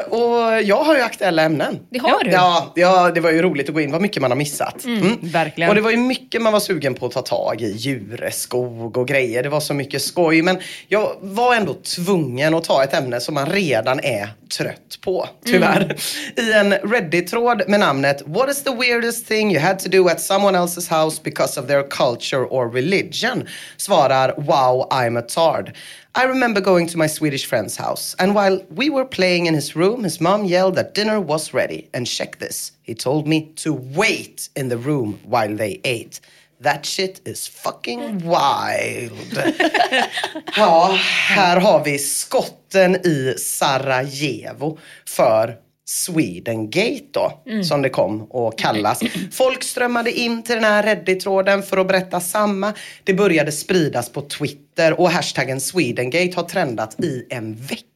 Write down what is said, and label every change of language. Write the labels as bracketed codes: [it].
[sv] Och jag har ju aktuella ämnen. Det har du. Ja, det var ju roligt att gå in. Vad mycket man har missat. Mm. Verkligen. Och det var ju mycket man var sugen på att ta tag i. Djureskog och grejer. Det var så mycket skoj. Men jag var ändå tvungen att ta ett ämne som man redan är trött på. Tyvärr. I en Reddit-tråd med namnet [en] What is the weirdest thing you had to do at someone else's house because of their culture or religion? [sv] Svarar [en] Wow, I'm a talk. I remember going to my Swedish friend's house, and while we were playing in his room, his mom yelled that dinner was ready. And check this, he told me to wait in the room while they ate. That shit is fucking wild. [sv] Ja, här har vi skotten i Sarajevo för Swedengate då, som det kom att kallas. Folk strömmade in till den här Reddit-tråden för att berätta samma. Det började spridas på Twitter och hashtaggen Swedengate har trendat i en vecka.